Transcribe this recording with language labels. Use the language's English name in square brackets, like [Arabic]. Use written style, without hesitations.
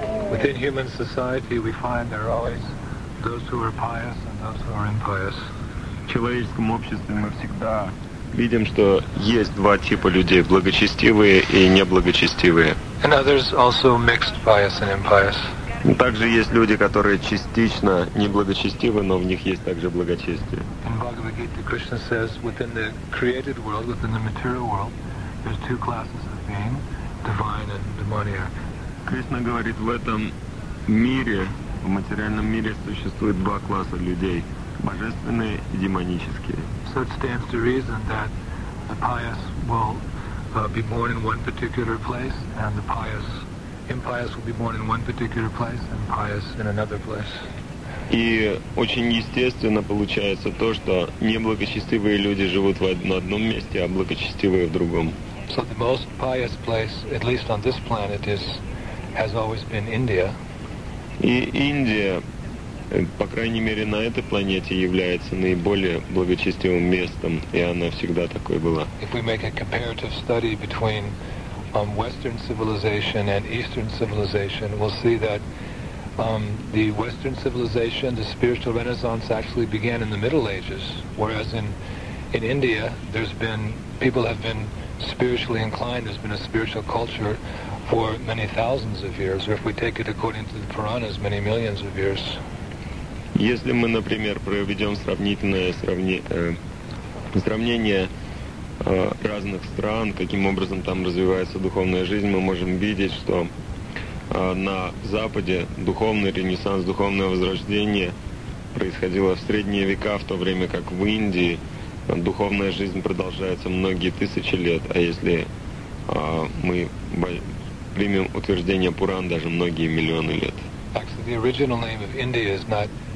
[English] Within human society we find there are always those who are pious and those who are impious. [Russian] В человеческом обществе мы всегда видим, что есть два типа людей: благочестивые и неблагочестивые. [English] And others also mixed pious and impious. [Russian] Также есть люди, которые частично неблагочестивы, но в них есть также благочестие. [English] In Bhagavad Gita, Krishna says, within the created world, within the material world, there's two classes of being, divine and demoniac. [Russian] Кришна говорит, в этом мире, в материальном мире, существует два класса людей: божественные и демонические. [English] So it stands to reason that the pious will be born in one particular place, and the pious impious will be born in one particular place, and pious in another place. [Russian] И очень естественно получается то, что неблагочестивые люди живут на одном месте, а благочестивые в другом. [English] So the most pious place, at least on this planet, has always been India. [Russian] И Индия, по крайней мере, на этой планете является наиболее благочестивым местом, и она всегда такой была. [English] If we make a comparative study between Western civilization and Eastern civilization, we'll see that the Western civilization, the spiritual renaissance, actually began in the Middle Ages, whereas in India, people have been spiritually inclined, there's been a spiritual culture for many thousands of years, or if we take it according to the Puranas, many millions of years. [Russian] Если мы, например, проведем сравнение разных стран, каким образом там развивается духовная жизнь, мы можем видеть, что на Западе духовный ренессанс, духовное возрождение происходило в средние века, в то время как в Индии духовная жизнь продолжается многие тысячи лет, а если мы примем утверждение Пуран, даже многие миллионы лет.